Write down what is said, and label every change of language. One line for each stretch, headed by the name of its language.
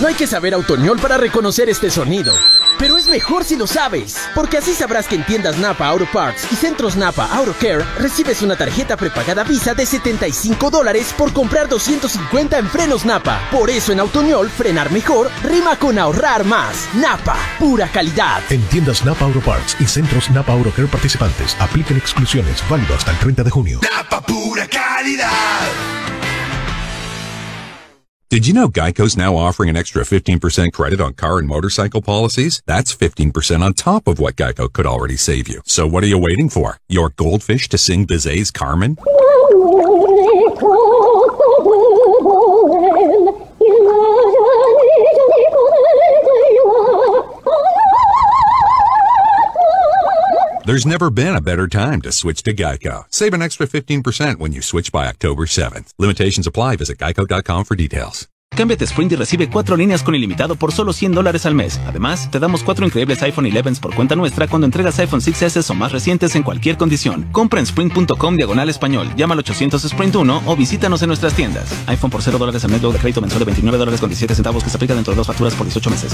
Spanish: No hay que saber autoñol para reconocer este sonido. Pero es mejor si lo sabes, porque así sabrás que en tiendas Napa Auto Parts y centros Napa Auto Care recibes una tarjeta prepagada Visa de $75 por comprar 250 en frenos Napa. Por eso en Autoñol, frenar mejor rima con ahorrar más. Napa, pura calidad. En tiendas Napa Auto Parts y centros Napa Auto Care participantes, aplican exclusiones, válido hasta el 30 de junio. Napa, pura calidad.
English: Did you know Geico's now offering an extra 15% credit on car and motorcycle policies? That's 15% on top of what Geico could already save you. So what are you waiting for? Your goldfish to sing Bizet's Carmen? There's never been a better time to switch to Geico. Save an extra 15% when you switch by October 7th. Limitations apply. Visit geico.com for details.
Spanish: Cámbiate Sprint y recibe 4 líneas con ilimitado por solo $100 al mes. Además, te damos 4 increíbles iPhone 11s por cuenta nuestra cuando entregas iPhone 6S o más recientes en cualquier condición. Compra en Sprint.com/español. Llama al 800-SPRINT-1 o visítanos en nuestras tiendas. iPhone por $0 al mes, luego de crédito mensual de $29.17 que se aplica dentro de 2 facturas por 18 meses.